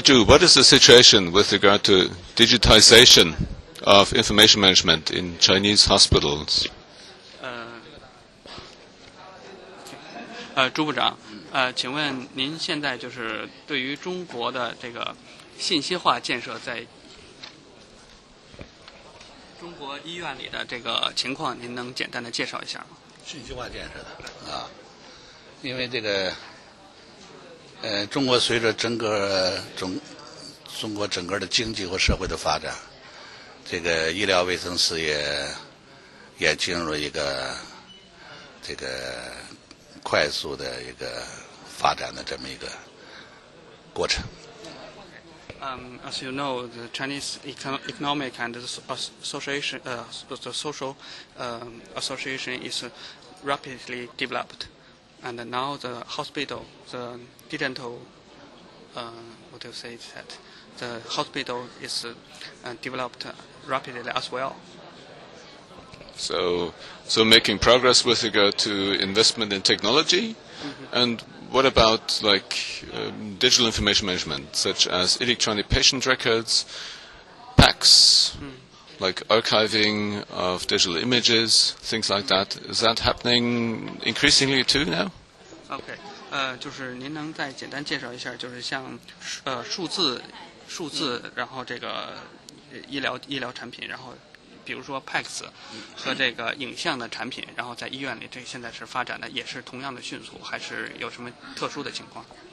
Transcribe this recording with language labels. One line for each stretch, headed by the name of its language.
English: Zhu, what is the situation with regard to digitization of information management in Chinese hospitals?
Chinese: 朱部长，请问您现在就是对于中国的这个信息化建设在中国医院里的这个情况，您能简单的介绍一下吗？信息化建设的啊，因为这个中国随着中国整个的经济和社会的发展，这个医疗卫生事业也进入一个这个快速的一个发展的这么一个过程。
English: As you know, the Chinese economic and the social association is rapidly developed, and now the hospital, the digital, the hospital is developed rapidly as well. So making progress with regard to investment in technology, and what about digital information management, such as electronic patient records, PACS, like archiving of digital images, things like that? Is that happening increasingly too now?
Chinese: Okay, 就是您能再简单介绍一下，就是像数字，然后这个医疗产品，然后。比如说 PACS 和这个影像的产品，然后在医院里，这现在是发展的也是同样的迅速，还是有什么特殊的情况？